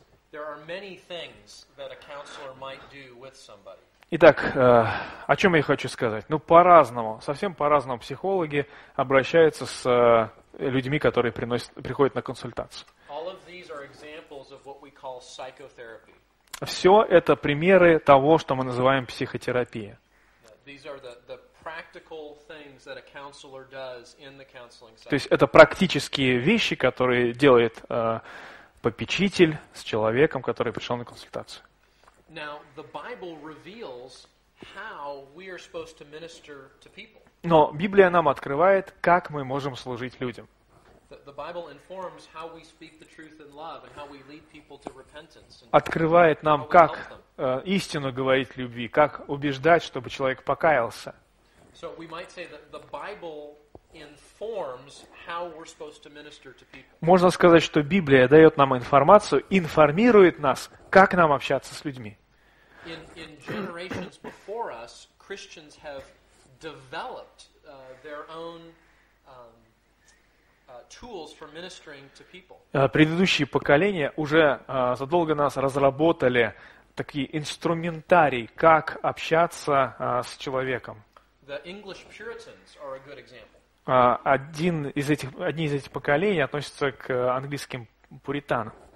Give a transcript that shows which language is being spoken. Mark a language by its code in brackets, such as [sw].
[en] There are many things that a counselor might do with somebody. [ru] Итак, о чем я хочу сказать? Ну, по-разному, совсем по-разному психологи обращаются с людьми, которые приходят на консультацию. [en] All of these are examples of what we call psychotherapy. [ru] Все это примеры того, что мы называем психотерапией. [en] These are the practical things that a counselor does in the counseling session. [ru] То есть это практические вещи, которые делает попечитель с человеком, который пришел на консультацию. [en] Now, the Bible reveals how we are supposed to minister to people. [ru] Но Библия нам открывает, как мы можем служить людям. [en] The Bible informs how we speak the truth in love and how we lead people to repentance. [ru] Открывает нам, как истину говорить любви, как убеждать, чтобы человек покаялся. [en] So we might say that the Bible informs how we're supposed to minister to people. [ru] Можно сказать, что Библия дает нам информацию, информирует нас, как нам общаться с людьми. [en] In generations before us, Christians have developed their own tools for ministering to people. [ru] Предыдущие поколения уже задолго нас разработали такие инструментарии, как общаться с человеком. [en] The English Puritans are a good example. [ru] Одни из этих поколений относятся к английским пуританам.